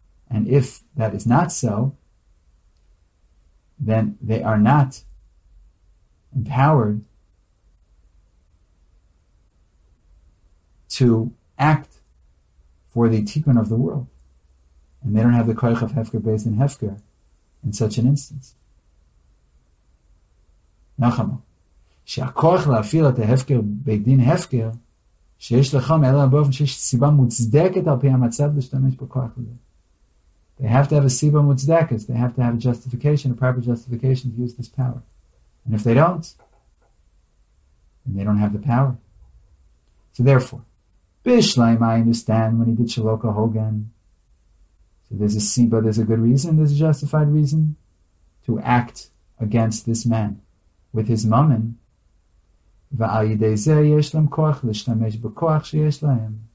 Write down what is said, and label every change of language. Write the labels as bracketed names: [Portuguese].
[English] And if that is not so, then they are not empowered to act for the tikkun of the world. And they don't have the koach of hefker based in hefker in such an instance. Nachama. [Hebrew] שהכוח להפעיל את ההפקר בדין הפקר שיש לכם אלא באופן שיש סיבה מוצדקת על פי המצב להשתמש בכוח הזה. [English] They have to have a [Hebrew] סיבה מוצדקת. [English] They have to have a justification, a proper justification to use this power. And if they don't, then they don't have the power. So therefore, בשלם, I understand when he did [Hebrew] שלוקה הוגן. [English] So there's a סיבה, there's a good reason, there's a justified reason to act against this man with his mammon. [Hebrew] ועל ידי זה יש להם כוח להשתמש בכוח שיש להם.